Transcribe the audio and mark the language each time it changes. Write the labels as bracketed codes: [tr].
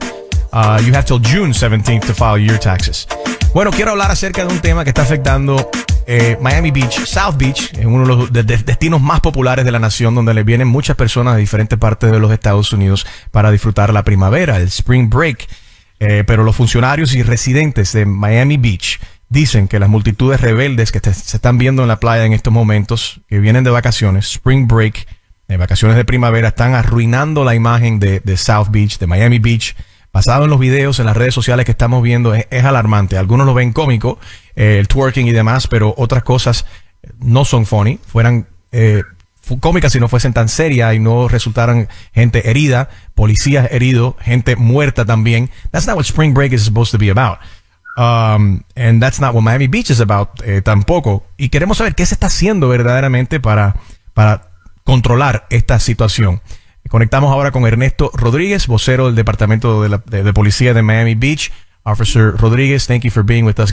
[en] You have till June 17th to file your taxes. [es] Bueno, quiero hablar acerca de un tema que está afectando Miami Beach, South Beach, es uno de los destinos más populares de la nación, donde le vienen muchas personas de diferentes partes de los Estados Unidos para disfrutar la primavera, el Spring Break. Pero los funcionarios y residentes de Miami Beach dicen que las multitudes rebeldes que se están viendo en la playa en estos momentos, que vienen de vacaciones, Spring Break, de vacaciones de primavera, están arruinando la imagen de South Beach, de Miami Beach. Basado en los videos, en las redes sociales que estamos viendo, es alarmante. Algunos lo ven cómico, el twerking y demás, pero otras cosas no son funny. Fueran cómicas si no fuesen tan serias y no resultaran gente herida, policías heridos, gente muerta también. [en] That's not what Spring Break is supposed to be about. And that's not what Miami Beach is about tampoco. [es] Y queremos saber qué se está haciendo verdaderamente para controlar esta situación. Conectamos ahora con Ernesto Rodríguez, vocero del Departamento de Policía de Miami Beach. [en] Officer Rodríguez, thank you for being with us.